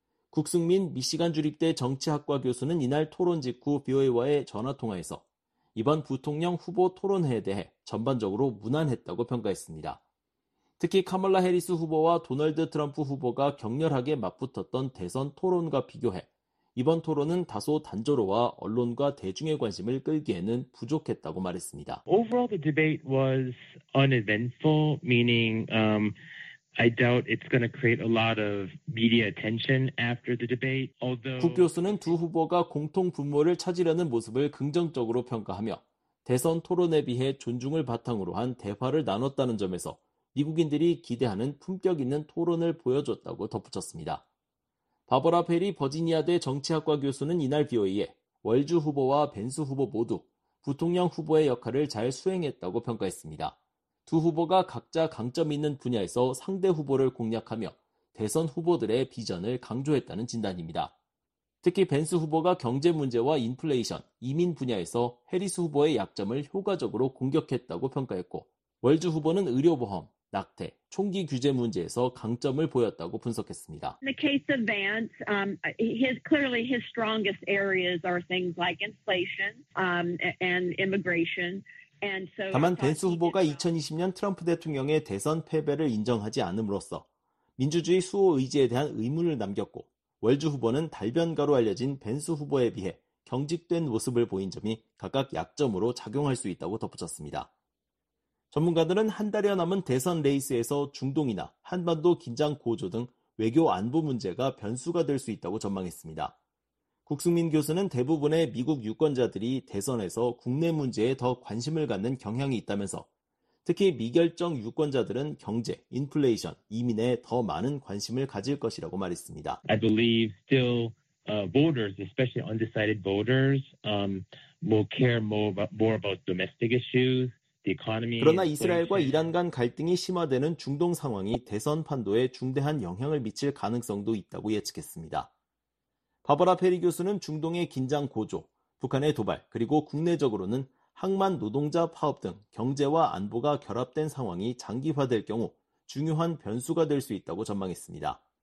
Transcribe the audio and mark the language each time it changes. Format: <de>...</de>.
<ko>국승민 미시간 주립대 정치학과 교수는 이날 토론 직후 BOA와의 전화통화에서 이번 부통령 후보 토론회에 대해 전반적으로 무난했다고 평가했습니다. 특히 카멀라 해리스 후보와 도널드 트럼프 후보가 격렬하게 맞붙었던 대선 토론과 비교해 이번 토론은 다소 단조로워 언론과 대중의 관심을 끌기에는 부족했다고 말했습니다.</ko> <en>Overall, the debate was uneventful, meaning I doubt it's going to create a lot of media attention after the debate. Although</en> <ko>국 교수는 두 후보가 공통 분모를 찾으려는 모습을 긍정적으로 평가하며 대선 토론에 비해 존중을 바탕으로 한 대화를 나눴다는 점에서 미국인들이 기대하는 품격 있는 토론을 보여줬다고 덧붙였습니다. 바버라 페리 버지니아대 정치학과 교수는 이날 BOA에 월즈 후보와 벤스 후보 모두 부통령 후보의 역할을 잘 수행했다고 평가했습니다. 두 후보가 각자 강점 있는 분야에서 상대 후보를 공략하며 대선 후보들의 비전을 강조했다는 진단입니다. 특히 벤스 후보가 경제 문제와 인플레이션, 이민 분야에서 해리스 후보의 약점을 효과적으로 공격했다고 평가했고 월즈 후보는 의료보험, 낙태, 총기 규제 문제에서 강점을 보였다고 분석했습니다.</ko> <en>In the case of Vance, clearly his strongest areas are things like inflation and immigration.</en> <ko>다만 벤스 후보가 2020년 트럼프 대통령의 대선 패배를 인정하지 않음으로써 민주주의 수호 의지에 대한 의문을 남겼고 월즈 후보는 달변가로 알려진 벤스 후보에 비해 경직된 모습을 보인 점이 각각 약점으로 작용할 수 있다고 덧붙였습니다. 전문가들은 한 달여 남은 대선 레이스에서 중동이나 한반도 긴장 고조 등 외교 안보 문제가 변수가 될 수 있다고 전망했습니다. 국승민 교수는 대부분의 미국 유권자들이 대선에서 국내 문제에 더 관심을 갖는 경향이 있다면서 특히 미결정 유권자들은 경제, 인플레이션, 이민에 더 많은 관심을 가질 것이라고 말했습니다.</ko> <en>I believe still voters, especially undecided voters, will care more about domestic issues, the economy.</en> <ko>그러나 이스라엘과 이란 간 갈등이 심화되는 중동 상황이 대선 판도에 중대한 영향을 미칠 가능성도 있다고 예측했습니다. 바바라 페리 교수는 중동의 긴장 고조, 북한의 도발, 그리고 국내적으로는 항만 노동자 파업 등 경제와 안보가 결합된 상황이 장기화될 경우 중요한 변수가 될 수 있다고 전망했습니다.</ko>